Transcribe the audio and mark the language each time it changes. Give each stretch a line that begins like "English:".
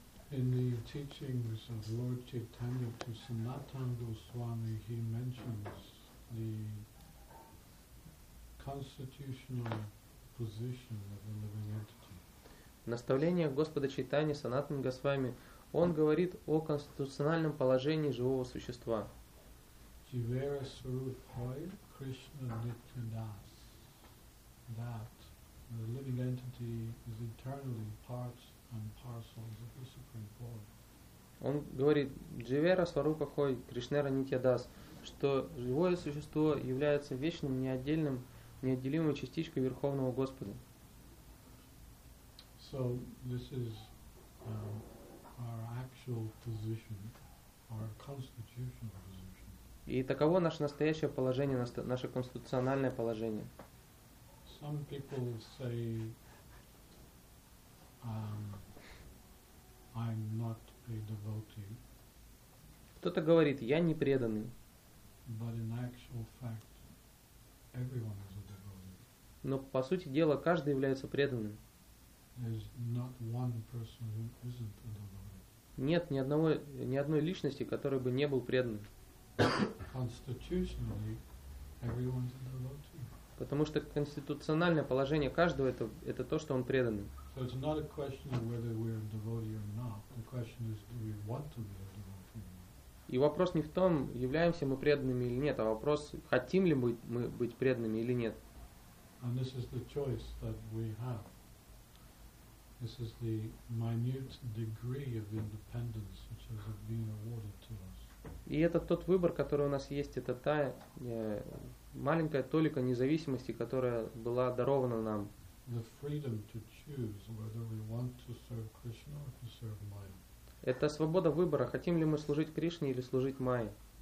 English: In the teachings of Lord Chaitanya to Sanatana Goswami, he mentions the constitutional position of the living entity.
Russian: В наставлениях Господа Чайтани Санатана Госвами он говорит о конституциональном положении живого существа. Он говорит,
Bangla: Дживера Сварупа Хой, Кришнера Нитья Дас,
Russian: что живое существо является вечным, неотдельным, неотделимой частичкой Верховного Господа.
English: So this is our actual position, our constitutional position.
Russian: И таково наше настоящее положение, наше конституциональное положение.
English: Some people say, I'm not a devotee.
Russian: Кто-то говорит, я не преданный.
English: But in actual fact, everyone is a devotee.
Russian: Но по сути дела каждый является преданным.
English: There's not one person who isn't a devotee.
Russian: Нет ни одного, ни одной личности, который бы не был преданным.
English: Constitutionally, everyone's a devotee.
Russian: Потому что конституциональное положение каждого это то, что он преданный.
English: So it's not a question of whether we're a devotee or not. The question is, do we want to be a devotee?
Russian: И вопрос не в том, являемся мы преданными или нет, а вопрос, хотим ли мы быть преданными или нет.
English: And this is the choice that we have. This is the minute degree of independence which has been awarded to us.
Russian: И это тот выбор, который у нас есть, это та маленькая толика независимости, которая была дарована нам.
English: The freedom to choose whether we want to serve Krishna or to serve Maya.
Russian: Это свобода выбора, хотим ли мы служить Кришне или служить Майе.